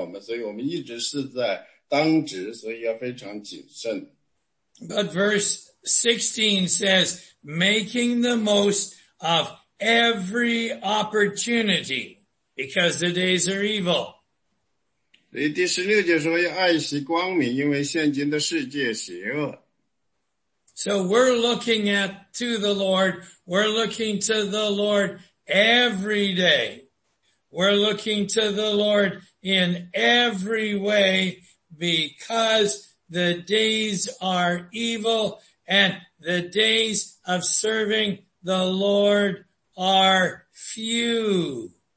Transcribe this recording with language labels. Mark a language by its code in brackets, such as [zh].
[zh] 24/7。因为我们要非常非常谨慎的去行事，因为我们是在所有的时间、所有的地点，我们都是在发光，这个世界在看我们、观察我们，所以我们一直是在 当值，所以要非常谨慎。 [en] But verse 16 says, making the most of every opportunity, because the days are evil. [zh] 第16节说要爱惜光明，因为现今的世界邪恶。 [en] So we're looking at to the Lord, we're looking to the Lord every day. We're looking to the Lord in every way, because the days are evil and the days of serving the Lord are few.